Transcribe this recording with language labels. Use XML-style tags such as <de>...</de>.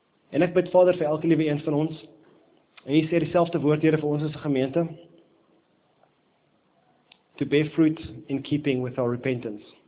<af>En ek bid Vader vir elke liewe een van ons. En hier sê dieselfde woord, Here, vir ons as 'n gemeente.</af> <en>To bear fruit in keeping with our repentance.</en>